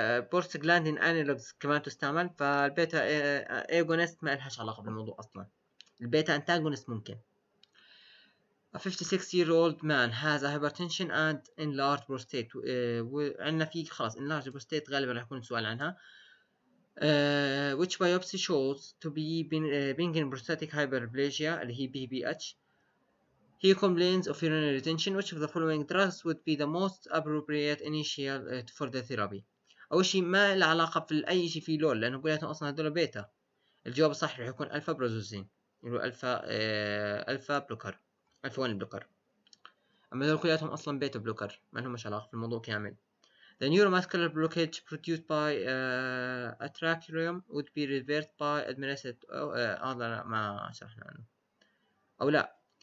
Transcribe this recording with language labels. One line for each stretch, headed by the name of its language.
Arabic: بورسجلاندين انالوجز كمان تستعمل، فالبيتا اجونست ما لهاش علاقه بالموضوع اصلا. البيتا انتاغونست ممكن.
English: A 56-year-old man has a hypertension and enlarged prostate.
Arabic: عندنا في خلاص enlarged prostate غالبا رح يكون سؤال عنها.
English: Which biopsy shows to be benign prostatic hyperplasia
Arabic: اللي هي
English: BPH. He complains of urinary retention. Which of the following drugs would be the most appropriate initial for the therapy؟
Arabic: أول شيء ما له علاقة في أي شيء في لول، لأنه كلياتهم أصلا هدول بيتا. الجواب الصح رح يكون ألفا بروزوزين. يقولوا الفا بلوكر، الفا 1 بلوكر، اما دول كلياتهم اصلا بيتا بلوكر، ما لهمش علاقه في الموضوع كامل.
English: The neuromuscular blockage produced by atractorium would be reversed by administered
Arabic: هذا ما شرحنا عنه او لا.